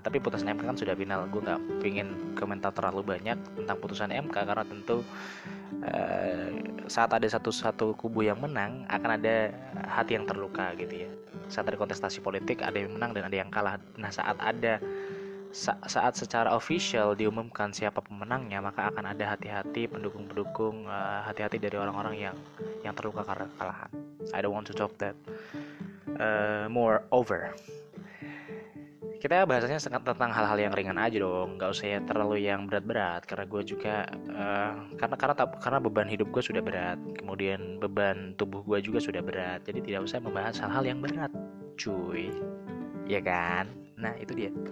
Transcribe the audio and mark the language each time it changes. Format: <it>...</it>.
<id>Tapi putusan MK kan sudah final. Gue gak pingin komentar terlalu banyak tentang putusan MK, karena tentu saat ada satu-satu kubu yang menang, akan ada hati yang terluka gitu ya. Saat ada kontestasi politik, ada yang menang dan ada yang kalah. Nah, saat secara official diumumkan siapa pemenangnya, maka akan ada hati-hati pendukung-pendukung, hati-hati dari orang-orang yang terluka karena kekalahan.</id> <en>I don't want to talk that more over.</en> <id>Kita bahasanya sangat tentang hal-hal yang ringan aja dong, nggak usah ya terlalu yang berat-berat, karena gue juga karena beban hidup gue sudah berat, kemudian beban tubuh gue juga sudah berat, jadi tidak usah membahas hal-hal yang berat cuy, ya kan. Nah itu dia.</id>